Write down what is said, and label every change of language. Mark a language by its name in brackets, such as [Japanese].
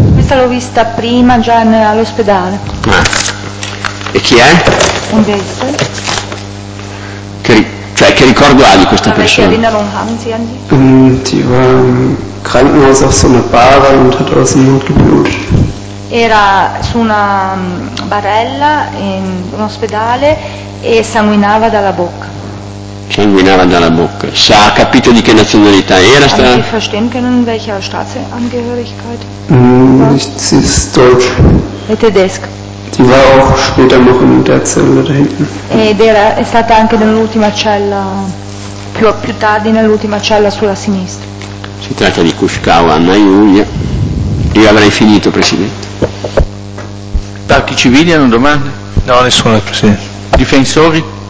[Italian] Questa l'ho vista prima già all'ospedale. Ah. E chi è? Un vestito. Cioè, che ricordo ha di questa persona? [German] Die war im Krankenhaus auf so einer Barre und hat aus dem Mund geblutet. [Italian] Era su una barella in un ospedale e sanguinava dalla bocca. Sanguinava dalla bocca. Sa, ha capito di che nazionalità era sta? [German] Hai verstehen können, welcher Staatsangehörigkeit? Sie ist deutsch. [Italian] È tedesca. [German] Die war auch später noch in der Zelle da hinten. [Italian] Ed era, è stata anche nell'ultima cella, più tardi nell'ultima cella sulla sinistra. Si tratta di Kuskawa Anna Julia. Io avrei finito, Presidente. Parti civili hanno domande? No, nessuna, Presidente. Difensori?